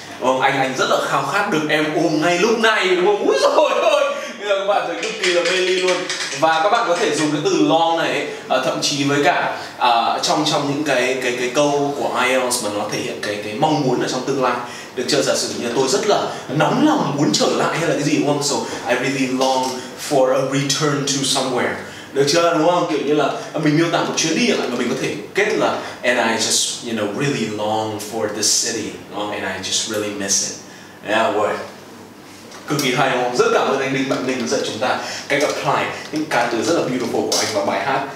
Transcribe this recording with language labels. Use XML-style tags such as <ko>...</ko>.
<vi>Oh, anh rất là khao khát được em ôm ngay lúc này. Đúng không? Úi dồi ôi! Nhưng mà các bạn thấy cực kỳ là mê ly luôn. Và các bạn có thể dùng cái từ long này ấy, thậm chí với cả trong những cái câu của IELTS mà nó thể hiện cái mong muốn ở trong tương lai. Được chưa? Giả sử như tôi rất là nóng lòng muốn trở lại hay là cái gì, đúng không?</vi> <en>So, I really long for a return to somewhere.</en> <vi>Được chưa, đúng không? Kiểu như là mình miêu tả một chuyến đi lại mà mình có thể kết là</vi> <en>and I just, you know, really long for this city, oh, and I just really miss it. Yeah, boy.</en> <vi>Cực kỳ hay, không? Rất cảm ơn anh Đinh, bạn Đinh đã dạy chúng ta cách apply những cá từ rất là beautiful của anh vào bài hát.</vi>